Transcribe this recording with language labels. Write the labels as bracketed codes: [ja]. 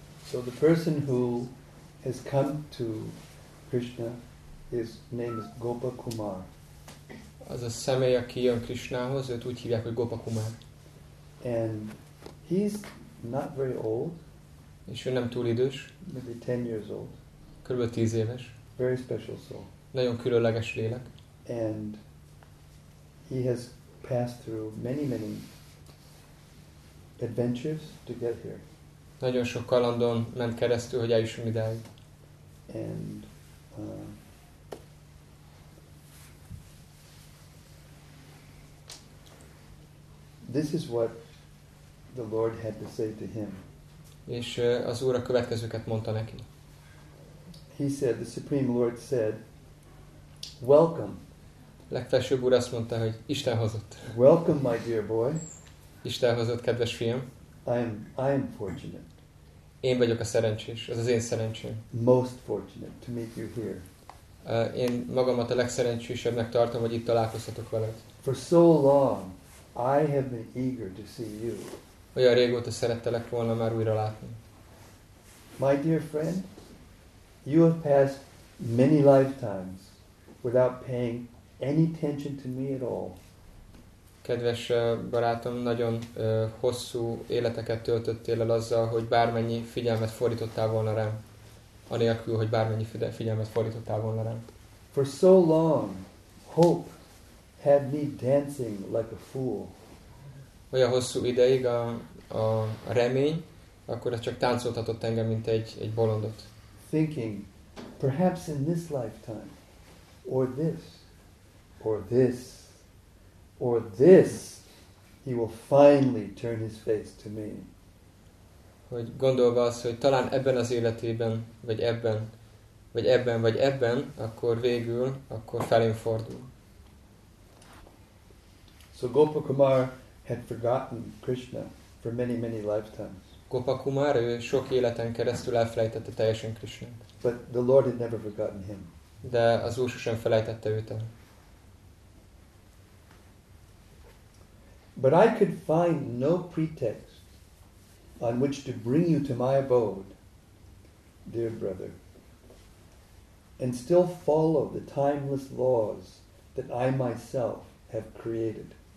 [en] So the person who has come to Krishna, his name is Gopa Kumar. [hu] Az a személy, aki jön Krishnához, őt úgy hívják, hogy Gopa Kumar. [en] And he's not very old. [hu] És ő nem túl idős. [en] Maybe 10 years old. [hu] Körülbelül 10 éves. [en] Very special soul. [hu] Nagyon különleges lélek. [en] And he has passed through many, many adventures to get here. [hu] Nagyon sok kalandon ment keresztül, hogy eljusson idáig. [en] And this is what the Lord had to say to him. [hu] És az Úr a következőket mondta neki. [en] He said, the Supreme Lord said, welcome. [hu] Legfelsőbb Úr azt mondta, hogy Isten hozott. [en] Welcome, my dear boy. [hu] Isten hozott, kedves fiam. [en] I am fortunate. [hu] Én vagyok a szerencsés, ez az én szerencsém. [en] Most fortunate to meet you here. [hu] Én magamat a legszerencsésebbnek tartom, hogy itt találkozhatok veled. [en] For so long, I have been eager to see you. [hu] Olyan régóta szerettelek volna már újra látni. [en] My dear friend, you have passed many lifetimes without paying any attention to me at all. [hu] Kedves barátom, nagyon hosszú életeket töltöttél el azzal, hogy bármennyi figyelmet fordítottál volna rám. Anélkül, hogy bármennyi figyelmet fordítottál volna rám. [en] For so long, hope had me dancing like a fool. [hu] Olyan hosszú ideig a remény, akkor ez csak táncoltatott engem, mint egy bolondot. [en] Thinking, perhaps in this lifetime, or this, or this, or this, he will finally turn his face to me. [hu] Hogy gondolva az, hogy talán ebben az életében, vagy ebben, akkor felén fordul. [en] So Gopa Kumar had forgotten Krishna for many, many lifetimes. [hu] Gopa Kumar, ő sok életen keresztül elfelejtette teljesen Krishnát. [en] But the Lord had never forgotten him. [hu] De az Úr sosem felejtette őt el. [en] But I could find no pretext on which to bring you to my abode, dear brother, and still follow the timeless laws that I myself have created.